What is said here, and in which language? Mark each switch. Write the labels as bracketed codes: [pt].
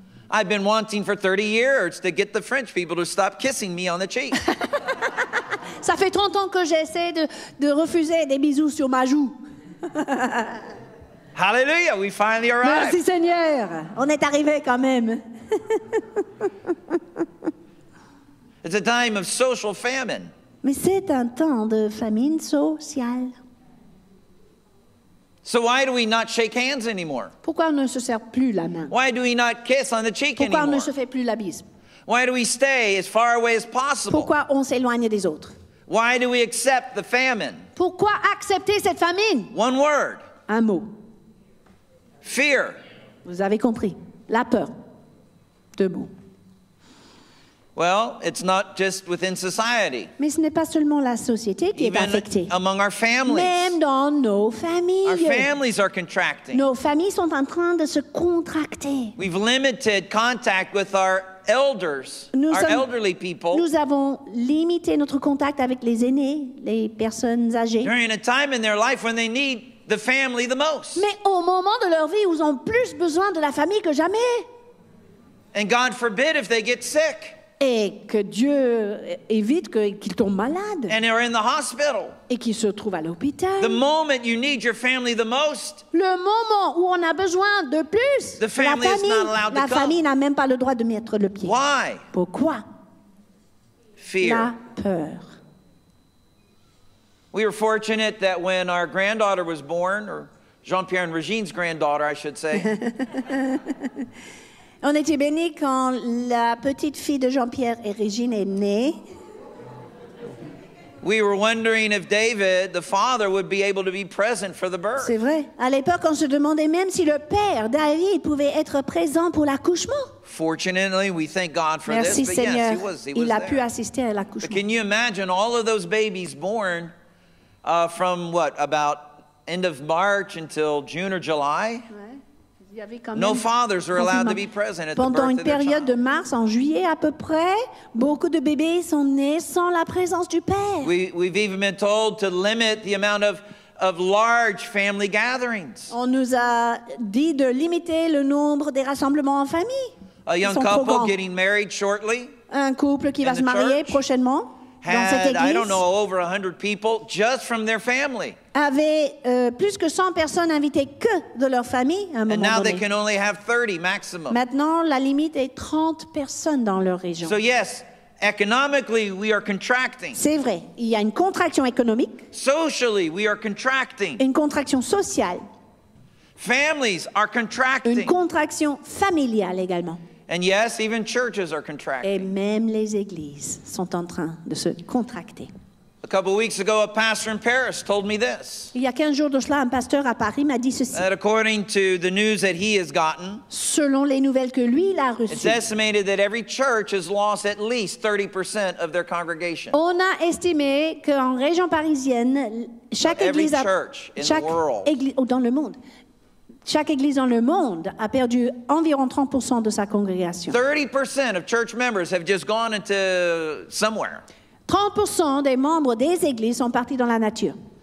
[en] I've been wanting for 30 years to get the French people to stop kissing me on the cheek. [fr] Ça fait 30 ans que j'essaie de refuser des bisous sur ma joue. [en] Hallelujah, we finally arrived. [fr] Merci Seigneur, on est arrivé quand même. [en] It's a time of social famine. [fr] Mais c'est un temps de famine sociale. [en] So why do we not shake hands anymore? [fr] Pourquoi on ne se serre plus la main? [en] Why do we not kiss on the cheek [fr] pourquoi [en] anymore? [fr] Pourquoi on ne se fait plus la bise? [en] Why do we stay as far away as possible? [fr] Pourquoi on s'éloigne des autres? [en] Why do we accept the famine? [fr] Pourquoi accepter cette famine? [en] One word. [fr] Un mot. [en] Fear. [fr] Vous avez compris. La peur. Deux mots. [en] Well, it's not just within society. [fr] Mais ce n'est pas seulement la société qui [en] even [fr] est affectée. [en] Among our families. [fr] Même dans nos familles. [en] Our families are contracting. [fr] Nos familles sont en train de se contracter. [en] We've limited contact with our elders, elderly people. [fr] Nous avons limité notre contact avec les aînés, les personnes âgées. [en] During a time in their life when they need the family the most. [fr] Mais au moment de leur vie où ils ont plus besoin de la famille que jamais. [en] And God forbid if they get sick. [fr] Et que Dieu évite qu'ils tombent malades. [en] And they're in the hospital. [fr] Et qu'ils se trouvent à l'hôpital. [en] The moment you need your family the most. [fr] Le moment où on a besoin de plus. [en] The family [fr] la famille, [en] is not allowed [fr] la [en] to come. [fr] Famille n'a même pas le droit de mettre le pied. [en] Why? [fr] Pourquoi? [en] Fear. [fr] La peur. [en] We were fortunate that when our granddaughter was born, or Jean-Pierre and Regine's granddaughter, I should say. [fr] On était bénis quand la petite fille de Jean-Pierre et Régine est née. [en] We were wondering if David, the father, would be able to be present for the birth. [fr] C'est vrai. À l'époque, on se demandait même si le père, David, pouvait être présent pour l'accouchement. [en] Fortunately, we thank God for [fr] merci [en] this. [fr] Merci Seigneur. [en] Yes, he was [fr] il a [en] there. [fr] Pu assister à l'accouchement. [en] But can you imagine all of those babies born from what, about end of March until June or July? [fr] Ouais. [en] No fathers are allowed to be present at the birth of their child. [fr] Pendant une période de mars en juillet à peu près, beaucoup de bébés sont nés sans la présence du père. [en] We've even been told to limit the amount of large family gatherings. [fr] On nous a dit de limiter le nombre des rassemblements en famille. [en] A young couple getting married shortly. [fr] Un couple qui va se marier prochainement. [en] Over 100 people just from their family. [fr] Avaient plus que 100 personnes invitées que de leur famille à un moment [en] and now [fr] donné. [en] They can only have 30 maximum. [fr] Maintenant, la limite est 30 personnes dans leur région. [en] So yes, economically we are contracting. [fr] C'est vrai, il y a une contraction économique. [en] Socially we are contracting. [fr] Une contraction sociale. [en] Families are contracting. [fr] Une contraction familiale également. [en] And yes, even churches are contracting. [fr] Et même les églises sont en train de se contracter. [en] A couple of weeks ago, a pastor in Paris told me this. [fr] Il y a 15 jours de cela, un pasteur à Paris m'a dit ceci. [en] That according to the news that he has gotten, [fr] selon les nouvelles que lui il a reçues, [en] it's estimated that every church has lost at least 30% of their congregation. [fr] On a estimé qu'en région parisienne, chaque église, [en] every church in [fr] chaque [en] the world, [fr] dans le monde. Chaque église dans le monde a perdu environ 30% de sa congrégation. [en] 30% of church members have just gone into somewhere. [fr] 30% des membres des églises sont partis dans la nature.